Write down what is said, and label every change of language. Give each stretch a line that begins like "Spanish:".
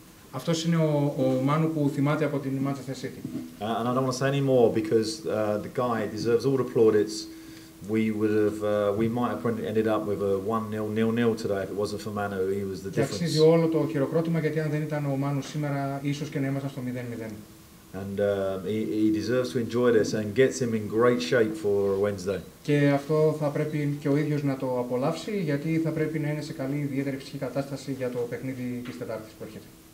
Greek: Αυτός είναι ο Μάνου που θυμάται από την Manchester City.
English: And I don't want to say any more because the guy deserves all the plaudits. We might have ended up with a 1-0 today if it wasn't for Manu. He was the difference.
Greek: Αξίζει όλο το χειροκρότημα γιατί αν δεν ήταν ο Μάνου σήμερα, ίσως και να ήμασταν στο 0-0.
English: And he deserves to enjoy this and gets him in great shape for Wednesday.
Greek: Και αυτό θα πρέπει και ο ίδιος να το απολαύσει γιατί θα πρέπει να είναι σε καλή ιδιαίτερη ψυχική κατάσταση για το παιχνίδι της Τετάρτης που έρχεται.